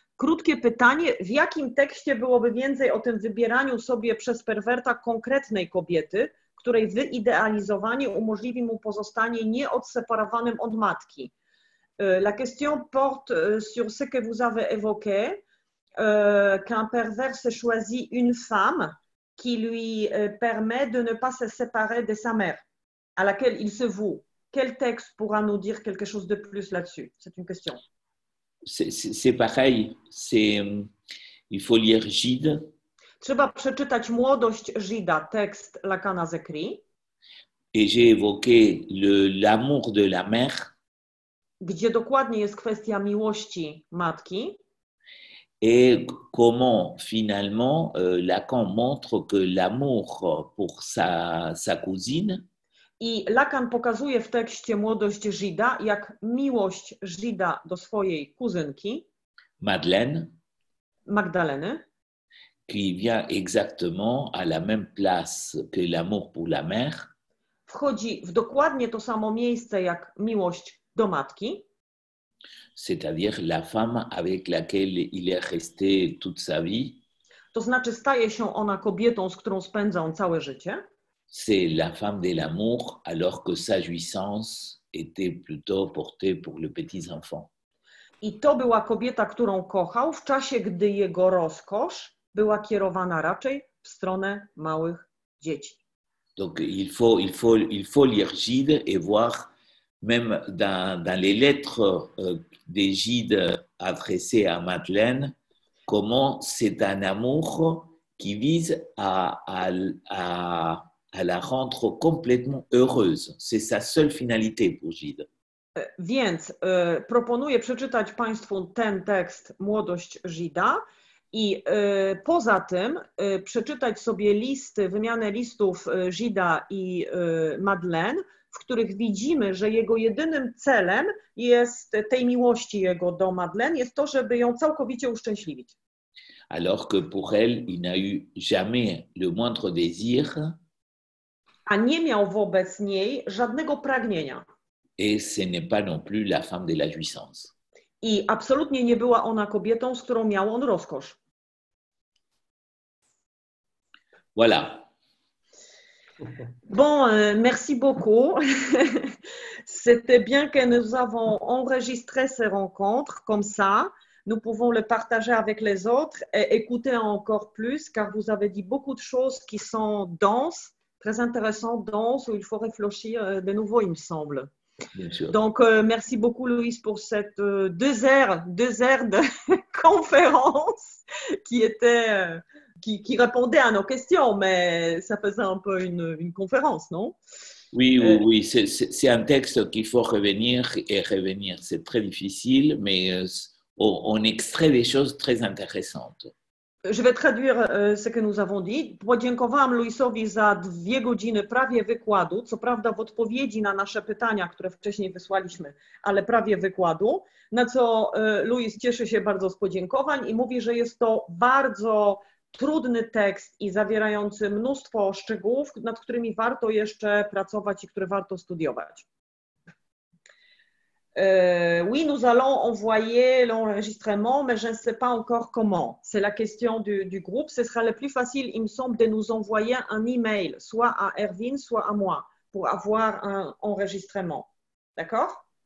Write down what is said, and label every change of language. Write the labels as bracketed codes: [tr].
[pl] Krótkie pytanie, w jakim tekście byłoby więcej o tym wybieraniu sobie przez perwerta konkretnej kobiety, której wyidealizowanie umożliwi mu pozostanie nieodseparowanym od matki? [fr] La question porte sur ce que vous avez évoqué, qu'un pervers se choisit une femme qui lui permet de ne pas se séparer de sa mère, à laquelle il se voue. Quel texte pourra nous dire quelque chose de plus là-dessus? C'est une question. C'est pareil, il faut lire Gide. [pl] Trzeba przeczytać Młodość Gida, tekst Lacana z Ecri. [fr] Et j'ai évoqué l'amour de la mère. [pl] Gdzie dokładnie jest kwestia miłości matki. [fr] Et comment finalement Lacan montre que l'amour pour sa cousine. [pl] I Lacan pokazuje w tekście Młodość Gida, jak miłość Gida do swojej kuzynki [fr] Madeleine, [pl] Magdaleny, [fr] qui vient exactement à la même place que l'amour pour la mère, [pl] wchodzi w dokładnie to samo miejsce jak miłość do matki, [fr] c'est-à-dire la femme avec laquelle il est resté toute sa vie, [pl] to znaczy staje się ona kobietą, z którą spędza on całe życie. [fr] C'est la femme de l'amour, alors que sa jouissance était plutôt portée pour les petits enfants. [pl] I to była kobieta, którą kochał, w czasie gdy jego rozkosz była kierowana raczej w stronę małych dzieci. [fr] Donc il faut lire Gide et voir même dans les lettres de Gide adressées à Madeleine comment c'est un amour qui vise à la rendre complètement heureuse. C'est sa seule finalité pour Gide. [pl] Więc proponuję przeczytać Państwu ten tekst Młodość Gida i poza tym przeczytać sobie listy, wymianę listów Gida i Madeleine, w których widzimy, że jego jedynym celem jest tej miłości jego do Madeleine, jest to, żeby ją całkowicie uszczęśliwić. [fr] Alors que pour elle, il n'a eu jamais le moindre désir. [pl] A nie miał wobec niej żadnego pragnienia. [fr] Et ce n'est pas non plus la femme de la jouissance. [pl] I absolutnie nie była ona kobietą, z którą miał on rozkosz. [fr] Voilà. Bon, merci beaucoup. C'était bien que nous avons enregistré ces rencontres comme ça. Nous pouvons le partager avec les autres et écouter encore plus, car vous avez dit beaucoup de choses qui sont denses. Très intéressant, dense, où il faut réfléchir de nouveau, il me semble. Bien sûr. Donc, merci beaucoup, Louise, pour cette deux heures de conférence qui répondait à nos questions, mais ça faisait un peu une conférence, non? Oui, c'est un texte qu'il faut revenir. C'est très difficile, mais on extrait des choses très intéressantes. Je vais traduire ce que nous avons dit. [pl] Podziękowałam Louisowi za dwie godziny prawie wykładu, co prawda w odpowiedzi na nasze pytania, które wcześniej wysłaliśmy, ale prawie wykładu, na co Louis cieszy się bardzo z podziękowań i mówi, że jest to bardzo trudny tekst i zawierający mnóstwo szczegółów, nad którymi warto jeszcze pracować i które warto studiować. [fr] Oui, nous allons envoyer l'enregistrement, mais je ne sais pas encore comment. C'est la question du groupe. Ce sera le plus facile, il me semble, de nous envoyer un email, soit à Erwin, soit à moi, pour avoir un enregistrement. D'accord?